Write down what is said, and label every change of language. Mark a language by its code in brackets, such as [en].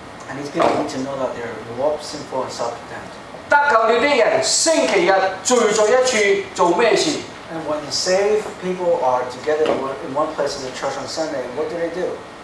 [en] and these people need to know that they're warped, sinful, and self-condemned. [yue] 得救你啲人星期日聚在一处做咩事？ [en] And when saved people are together in one place in the church on Sunday, what do they do?